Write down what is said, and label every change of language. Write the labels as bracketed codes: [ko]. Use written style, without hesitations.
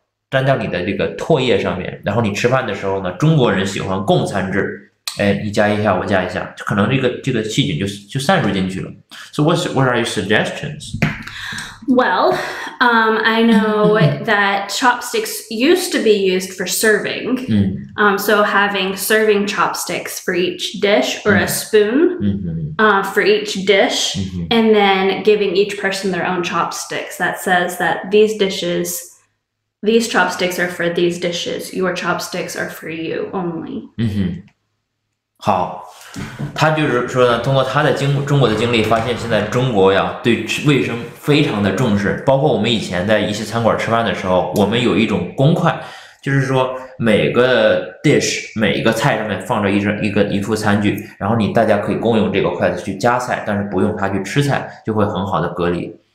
[zh] 沾到你的这个唾液上面，然后你吃饭的时候呢，中国人喜欢共餐制，哎，你夹一下，我夹一下，可能这个细菌就散入进去了。 [en] So what are your suggestions？ Well, I know that chopsticks used to be used for serving. So having serving chopsticks for each dish or a spoon for each dish, and then giving each person their own chopsticks that says that these chopsticks are for these dishes, your chopsticks are for you only. [zh] 好，他就是说呢，通过他的中国的经历，发现现在中国呀，对卫生非常的重视。包括我们以前在一些餐馆吃饭的时候，我们有一种公筷，就是说每个 dish 每一个菜上面放着一副餐具，然后你大家可以共用这个筷子去夹菜，但是不用它去吃菜，就会很好的隔离。